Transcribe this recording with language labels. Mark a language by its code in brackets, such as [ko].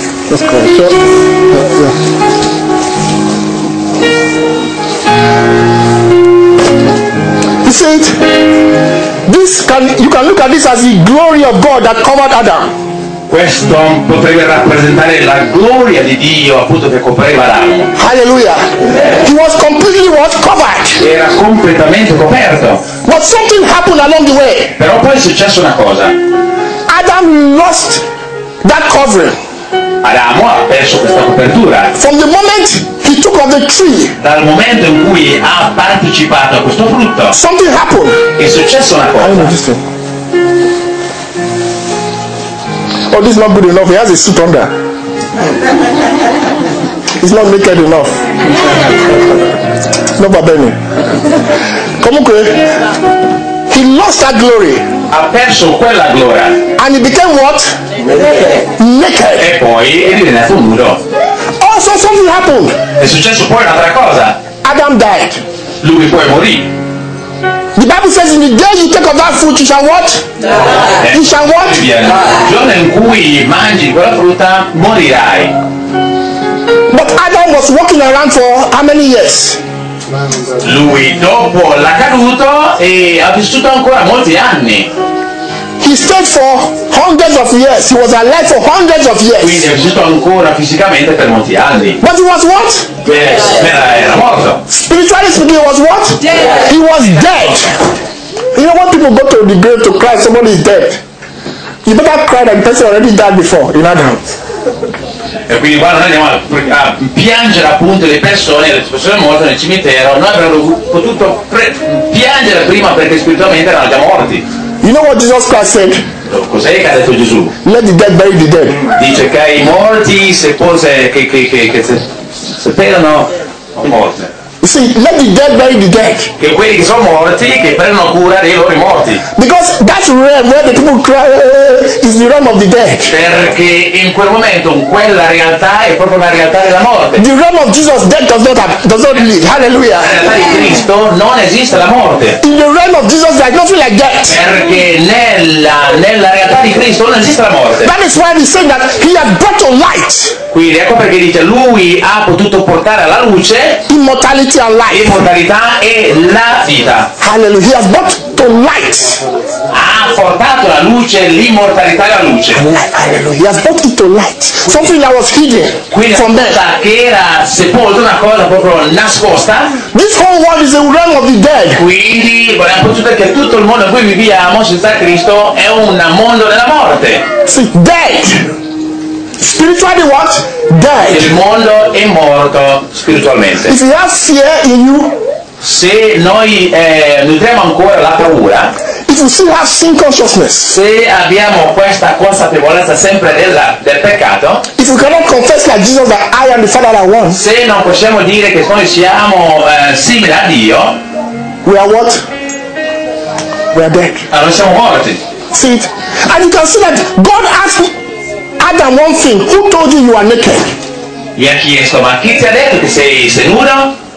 [en] Let's go. So, yeah. You see it? You can look at this as the glory of God that covered Adam. [it] Questo potrebbe rappresentare la gloria di Dio appunto che copriva Adamo. [en] Hallelujah. He was completely what? Covered. [it] Era completamente coperto. [en] But something happened along the way. [it] Però poi è successa una cosa. [en] Adam lost that covering. [it] Adamo ha perso questa copertura. [en] From the moment he took of the tree. [it] Dal momento in cui ha partecipato a questo frutto. [en] Something happened. [it] È successa una cosa. [en] I know this thing. Oh, this is not good enough. He has a suit under. It's not naked enough. No, Babeni. Comunque, he lost that glory. [it] Ha perso quella gloria. [en] And he became what? Naked. Naked. [it] E poi è diventato nudo. [en] Also, something happened. [it] È successo poi un'altra cosa. [en] Adam died. [it] Lui poi morì. [en] The Bible says in the day you take of that fruit you shall what? Yeah. You shall what? [it] Il giorno in cui mangi quella frutta morirai. [en] But Adam was walking around for how many years? [it] Lui dopo la caduta e ha vissuto ancora molti anni. [en] He stayed for hundreds of years. He was alive for hundreds of years. [it] Quindi è vissuto ancora fisicamente per molti anni. [en] But he was what? [it] Yes. Era morto. [en] Spiritually speaking, he was what? Dead. He was dead. You know when people go to the grave to cry, somebody is dead. You better cry than the person already died before. In Adam. [it] E quindi qua noi andiamo a piangere appunto le persone morte nel cimitero. Noi avremmo potuto piangere prima perché spiritualmente erano già morti. [en] You know what Jesus Christ said? [it] Cos'è che ha detto Gesù? [en] Let the dead bury the dead. [it] Dice che i morti sepelano o morte. [en] You see, let the dead bury the dead. [it] Che quelli che sono morti che prendono cura dei loro morti. [en] Because that realm where the people cry is the realm of the dead. [it] Perché in quel momento quella realtà è proprio la realtà della morte. [en] The realm of Jesus, death does not live. Hallelujah. [it] La realtà di Cristo non esiste la morte. [en] In the realm of Jesus, there is nothing like death. [it] Perché nella realtà di Cristo non esiste la morte. [en] That is why he said that he has brought to light. [it] Quindi ecco perché dice lui ha potuto portare alla luce immortalità. E mortalità e la vita. [en] Hallelujah. He has brought to light. [it] Ha portato la luce, l'immortalità e la luce. [en] Hallelujah. He has brought it to light. Something that was hidden. [it] Quindi [en] from [it] cosa [en] that. [it] Che era sepolta, una cosa proprio nascosta. [en] This whole world is a realm of the dead. [it] Quindi vorremmo dire che tutto il mondo in cui viviamo senza Cristo è un mondo della morte. [en] See, dead. Spiritually what? Dead. [it] Il mondo è morto spiritualmente. [en] If you have fear in you, [it] se noi nutriamo ancora la paura, [en] if you still have sin consciousness, [it] se abbiamo questa consapevolezza sempre del peccato, [en] if you cannot confess like Jesus that I am the Father that one, [it] se non possiamo dire che noi siamo simili a Dio, [en] we are what? We are dead. [it] Allora siamo morti. [en] See it? And you can see that God asked me Adam one thing, who told you are naked? [it] Gli ha chiesto, ma chi ti ha detto che sei nudo?